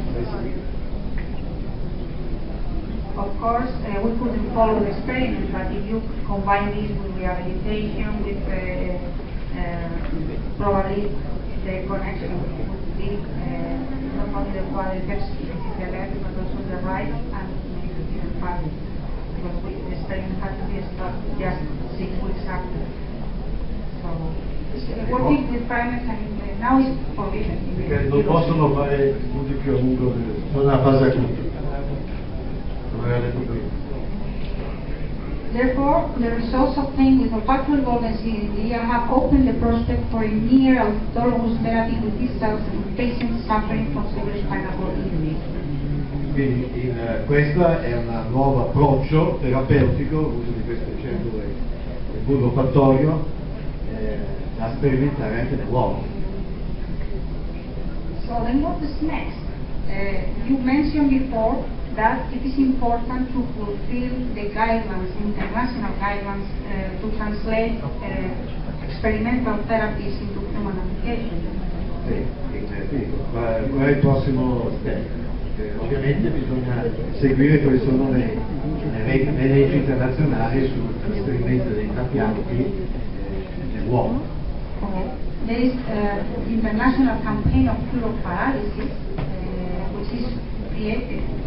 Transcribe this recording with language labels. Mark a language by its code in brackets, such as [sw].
[en] Of course, we couldn't follow the experiment, but if you combine this with rehabilitation, with probably the connection would be not only the quadriceps, the left, but also the right, and maybe the body. Because the experiment had to be stopped just 6 weeks after. So, working with primates, I mean, now it's forbidden. [it] Non possono fare molto più a lungo, non è una fase acuta. [en] Therefore, the results obtained with olfactory bulb and cilia have opened the prospect for a near autologous therapy with these cells in patients suffering from severe spinal cord injury. [it] Quindi questo è un nuovo approccio terapeutico, l'uso di queste cellule del bulbo fattorio, da sperimentare anche nell'uomo. [en] So then what is next? You mentioned before that it is important to fulfill the guidelines, international guidelines, to translate experimental therapies into human application. [it] Qual è il prossimo step? Ovviamente bisogna seguire quali sono le leggi internazionali sul trasferimento dei trapianti nell'uomo. [en] There is the international campaign of cure of paralysis, which is created.